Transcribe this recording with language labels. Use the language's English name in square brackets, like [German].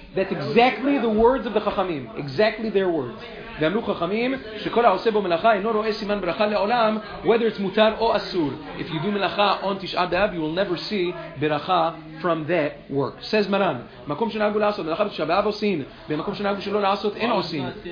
[English] That's exactly the words of the Chachamim. Exactly their words. [Hebrew] ואמרו חכמים שכל העושה בו מלאכה אינו רואה סימן ברכה לעולם, [English] whether it's [Hebrew] מותר או אסור. [English] If you do מלאכה on תשעה באב, you will never see ברכה from that work. [Hebrew] Says מרן, מקום שנהגו לעשות מלאכה בתשעה באב עושים, במקום שנהגו שלא לעשות אין עושים.